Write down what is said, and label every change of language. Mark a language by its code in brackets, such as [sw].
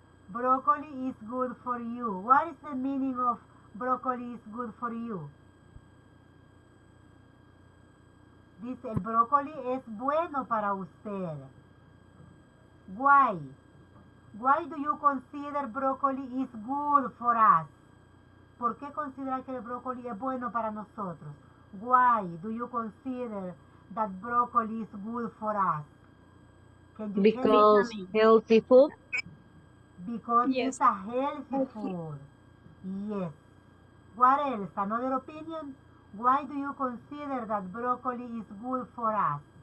[en] Broccoli is good for you. What is the meaning of broccoli is good for you? Dice, el broccoli es bueno para usted. Why do you consider broccoli is good for us? [es] ¿Por qué considera que el broccoli es bueno para nosotros? [en] Why do you consider that broccoli is good for us? Ok, Because healthy food. Because yes. It's a healthy food. Yes. What else? Another opinion? Why do you consider that broccoli is good for us?